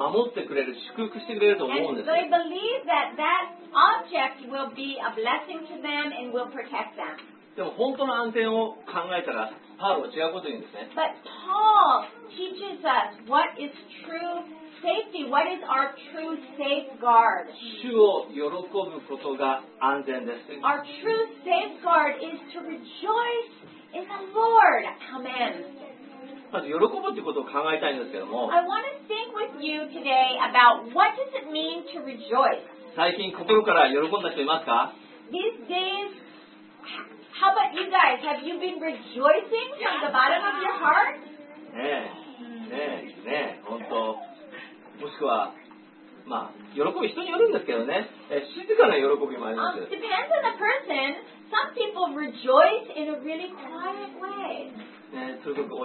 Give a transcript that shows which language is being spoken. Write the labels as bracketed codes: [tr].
[ja] それは、それが守ってくれる、祝福してくれると思うんです。 [en] And they believe that that object will be a blessing to them and will protect them. [ja] でも本当の安全を考えたら、パウロは違うこと言うんですね。 [en] But Paul teaches us what is true safety. What is our true safeguard? [ja] 主を喜ぶことが安全です。 [en] Our true safeguard is to rejoice. In the Lord, amen. [ja] まず喜ぶってことを考えたいんですけども。 [en] I want to think with you today about what does it mean to rejoice. [ja] 最近心から喜んだ人いますか？ [en] These days, how about you guys? Have you been rejoicing from the bottom of your heart? [ja] ねえ、本当。もしくは、喜ぶ人によるんですけどね。静かな喜びもあります。 [en] Depends on the person. Some people rejoice in a really quiet way.